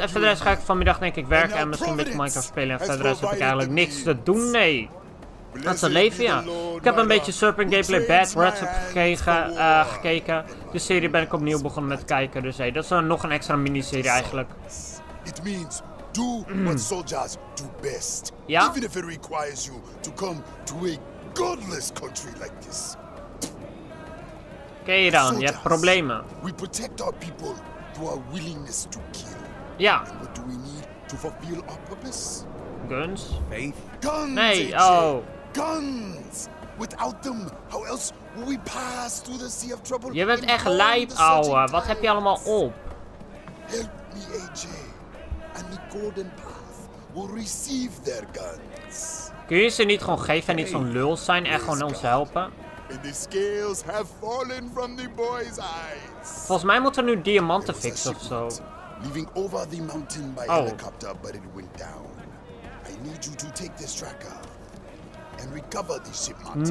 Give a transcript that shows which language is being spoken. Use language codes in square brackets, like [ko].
[nl] En verder ga ik vanmiddag denk ik werken en misschien een beetje Minecraft spelen. En verder heb ik eigenlijk niks te doen, nee. Dat is een leven, ja. Ik heb een beetje Serpent Gameplay Bad Rats gekeken. De serie ben ik opnieuw begonnen met kijken, dus hey, dat is nog een extra miniserie eigenlijk. [en] It means... Do what soldiers do best. [nl] Ja? [en] Even if it requires you to come to a godless country like this. [nl] Oké, dan, je hebt problemen. [en] We protect our people through our willingness to kill. [nl] Ja. [en] And what do we need to fulfill our purpose? Guns? Faith? Guns! [nl] Nee, oh. [en] Guns! Without them, how else will we pass through the sea of trouble? [nl] Je bent echt lijp, ouwe. Wat heb je allemaal op? [en] Help me, AJ. [nl] En de [en] Golden Path will receive their guns. [nl] Kun je ze niet gewoon geven en niet zo'n lul zijn en gewoon ons helpen? [en] And the scales have fallen from the boy's eyes. [nl] Volgens mij moeten we nu diamanten fixen of zo. [en] Leaving over the mountain by helicopter, but it went down. I need you to take this tracker and recover the shipment.